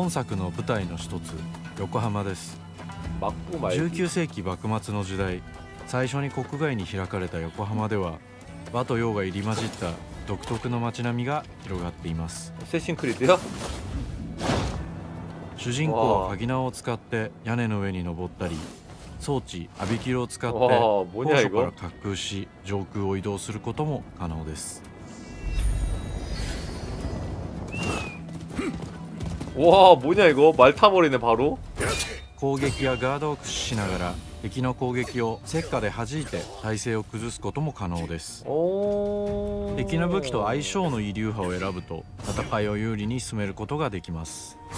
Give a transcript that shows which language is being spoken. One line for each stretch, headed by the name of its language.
Japanese: 本作の舞台の一つ横浜です。19世紀幕末の時代、最初に国外に開かれた横浜では和と洋が入り混じった独特の街並みが広がっています。セシンクリッド。主人公は鍵縄を使って屋根の上に登ったり、装置アビキルを使って高所から滑空し上空を移動することも可能です。
Korean: 와뭐냐이거말타버리네바로
Japanese: 攻撃やガードを駆使しながら敵の攻撃を石火で弾いて体勢を崩すことも可能です。敵の武器と相性のいい流派を選ぶと戦いを有利に進めることができます。